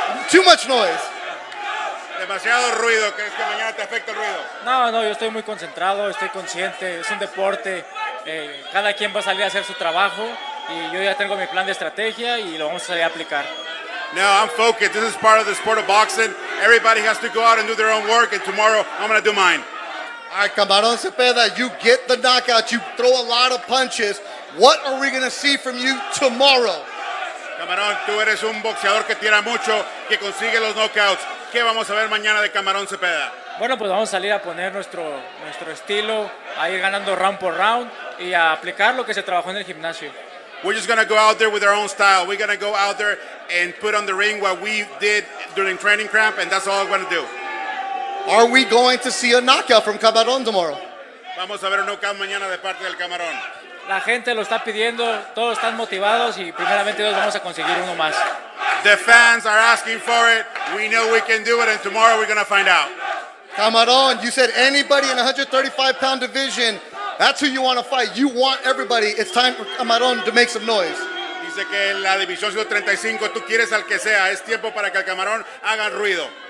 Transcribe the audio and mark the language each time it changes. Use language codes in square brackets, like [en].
[en] Too much noise. [es] Demasiado ruido, ¿crees que mañana te afecta el ruido? No, yo estoy muy concentrado, estoy consciente, es un deporte. Cada quien va a salir a hacer su trabajo y yo ya tengo mi plan de estrategia y lo vamos a salir a aplicar. [en] No, I'm focused. This is part of the sport of boxing. Everybody has to go out and do their own work and tomorrow I'm going to do mine. All right, Camarón Zepeda, you get the knockout, you throw a lot of punches. What are we going to see from you tomorrow? [es] Camarón, tú eres un boxeador que tira mucho, que consigue los knockouts. ¿Qué vamos a ver mañana de Camarón Zepeda? Bueno, pues vamos a salir a poner nuestro estilo, a ir ganando round por round y a aplicar lo que se trabajó en el gimnasio. [en] We're just going to go out there with our own style. We're going to go out there and put on the ring what we did during training camp, and that's all we're going to do. Are we going to see a knockout from Camarón tomorrow? [es] Vamos a ver un knockout mañana de parte del Camarón. La gente lo está pidiendo, todos están motivados y primeramente Dios vamos a conseguir uno más. [en] The fans are asking for it. We know we can do it and tomorrow we're going to find out. Camarón, you said anybody in 135-pound division, that's who you want to fight. You want everybody. It's time for Camarón to make some noise. [es] Dice que en la división 135 tú quieres al que sea. Es tiempo para que el Camarón haga ruido.